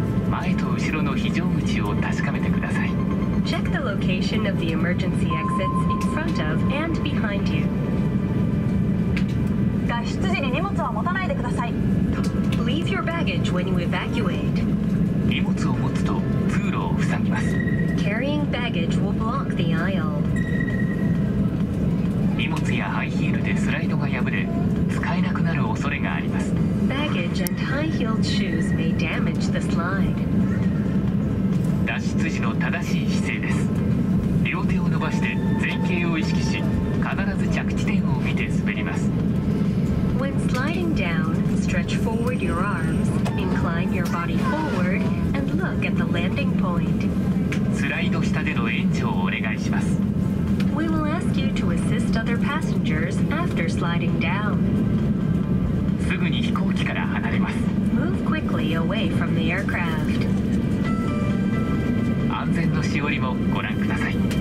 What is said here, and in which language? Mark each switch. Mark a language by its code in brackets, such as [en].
[ja] 前と後ろの非常口を確かめてください。 [en] Check the location of the emergency exits in front of and behind you. [ja] 脱出時に荷物は持たないでください。 [en] Leave your baggage when you evacuate. [ja] 荷物を持つと通路を塞ぎます。 [en] Carrying baggage will block the aisle. [ja] ハイヒールでスライドが破れ使えなくなる恐れがあります。 [en] Baggage and high-heeled shoes may damage the slide. [ja] 脱出時の正しい姿勢です。両手を伸ばして前傾を意識し必ず着地点を見て滑ります。 [en] When sliding down, stretch forward your arms, incline your body forward, and look at the landing point. [ja] スライド下での援助をお願いします。 [en] We will ask you to assist other passengers after sliding down. [ja] すぐに飛行機から離れます。 [en] Move quickly away from the aircraft. [ja] 安全のしおりもご覧ください。